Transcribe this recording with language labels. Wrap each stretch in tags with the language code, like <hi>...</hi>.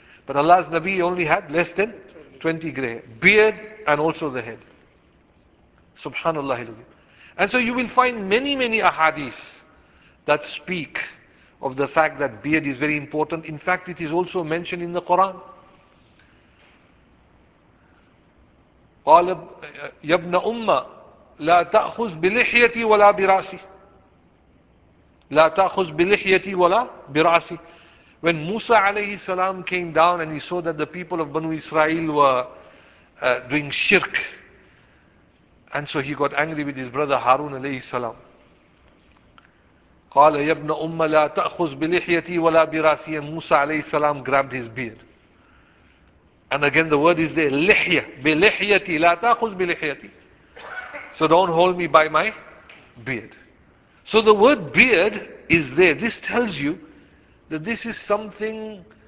<en>But Allah's Nabi only had less than 20 grey hair. Beard and also the head. SubhanAllah. And so you will find many, many ahadith that speak of the fact that beard is very important. In fact, it is also mentioned in the Quran.</en> <ar>قَالَ يَبْنَ أُمَّةِ لا تأخذ بلحيتي ولا برأسي. لا تأخذ بلحيتي ولا برأسي.</ar> <en>When Musa alayhi salam came down and he saw that the people of Banu Israel were doing shirk, and so he got angry with his brother Harun alayhi salam.</en> <ar>قال يا ابن أمة لا تأخذ بلحيتي ولا برأسي.</ar> <en>And Musa alayhi salam grabbed his beard. And again the word is there, لحية.</en> <ar>بلحيتي لا تأخذ بلحيتي.</ar> <en>So don't hold me by my beard. So the word beard is there. This tells you that this is something</en>